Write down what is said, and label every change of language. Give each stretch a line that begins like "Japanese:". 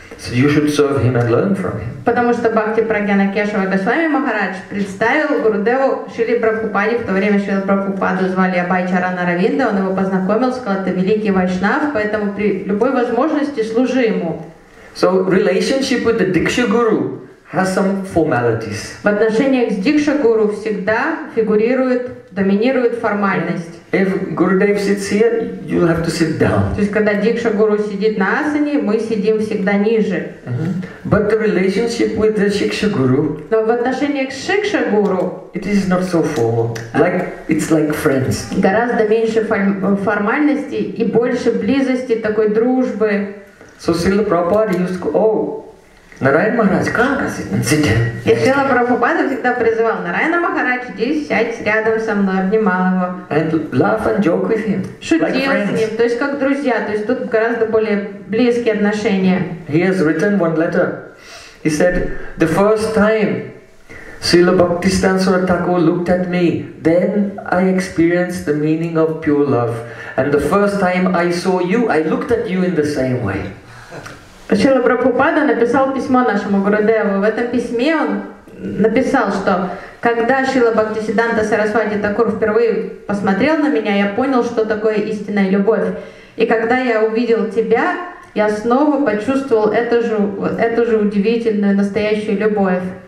English: So you should serve him and learn from him.
Russian: Потому что Бхакти Прагьяна Кешава Госвами Махарадж представил Гурудеву Шрили Прабхупаде, в то время Шрили Прабхупаду звали Абай Чарана Равинда, он его познакомил, сказал, это великий вайшнав, поэтому при любой возможности служи ему.
English: So relationship with the Diksha Guru has some formalities.
Russian: В отношениях с Дикша Гуру всегда фигурирует, доминирует формальность.
English: If Gurudev sits here, you have to sit down.
Russian: То есть когда Дикша Гуру сидит на асане, мы сидим всегда ниже.
English: But the relationship with the Shiksha Guru.
Russian: Но в отношениях с Шикша Гуру.
English: It is not so formal. Like it's like friends.
Russian: Гораздо меньше формальности и больше близости, такой дружбы.
English: So Srila Prabhupada used to go, oh.
Russian: Нараяна Махарадж, как сидеть? И Шрила Прабхупада всегда призывал, Нараяна Махарадж, здесь сядь рядом со мной, обнимал его.
English: And laugh and joke with him.
Russian: Шутил
English: like
Russian: с ним, то есть как друзья, то есть тут гораздо более близкие отношения.
English: He has written one letter. He said, the first time Srila Bhaktisiddhanta Saraswati looked at me. Then I experienced the meaning of pure love. And the first time I saw you, I looked at you in the same way.
Russian: Srila Prabhupada написал письмо нашему Гурудеву. В этом письме он написал, что когда Шрила Бхактисиддханта Сарасвати Такур впервые посмотрел на меня, я понял, что такое истинная любовь. И когда я увидел тебя, я снова почувствовал эту же удивительную настоящую любовь.